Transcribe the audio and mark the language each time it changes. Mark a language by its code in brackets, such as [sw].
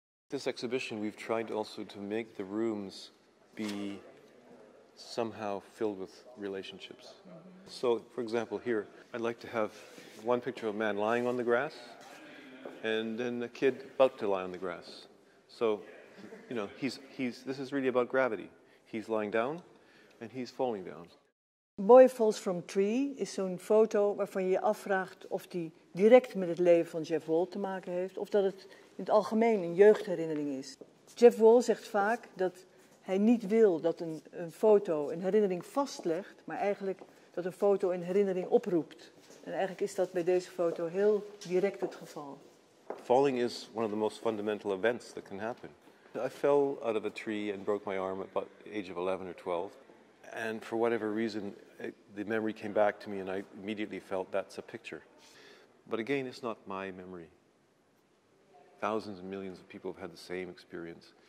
[en] This exhibition, we've tried also to make the rooms be somehow filled with relationships. Mm-hmm. So, for example, here, I'd like to have one picture of a man lying on the grass, and then a kid about to lie on the grass. So, you know, this is really about gravity. He's lying down, and he's falling down. [nl] Boy Falls from Tree is zo'n foto waarvan je je afvraagt of die direct met het leven van Jeff Wall te maken heeft, of dat het in het algemeen een jeugdherinnering is. Jeff Wall zegt vaak dat hij niet wil dat een foto een herinnering vastlegt, maar eigenlijk dat een foto een herinnering oproept. En eigenlijk is dat bij deze foto heel direct het geval. [en] Falling is one of the most fundamental events that can happen. I fell out of a tree and broke my arm at about the age of 11 or 12. And for whatever reason, the memory came back to me and I immediately felt that's a picture. But again, it's not my memory. Thousands and millions of people have had the same experience.